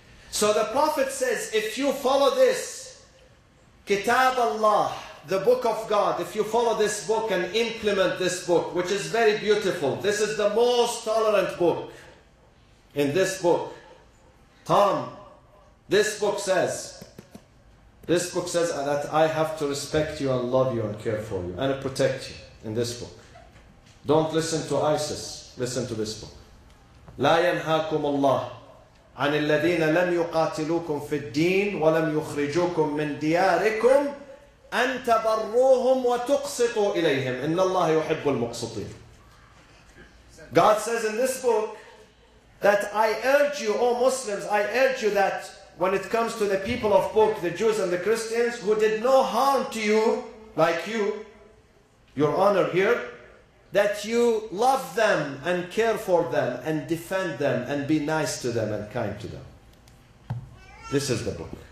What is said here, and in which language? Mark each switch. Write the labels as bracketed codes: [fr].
[en] So the Prophet says, if you follow this, Kitab Allah, the book of God, if you follow this book and implement this book, which is very beautiful, this is the most tolerant book in this book. This book says that I have to respect you and love you and care for you and protect you in this book. Don't listen to ISIS, listen to this book. [ar] لا ينهاكم الله عن الذين لم يقاتلوكم في الدين ولم يخرجوكم من دياركم أن تبروهم وتقسطوا إليهم إن الله يحب المقسطين. [en] God says in this book that I urge you, O Muslims, I urge you that when it comes to the people of book, the Jews and the Christians who did no harm to you, like you, your honor here, that you love them and care for them and defend them and be nice to them and kind to them. This is the book.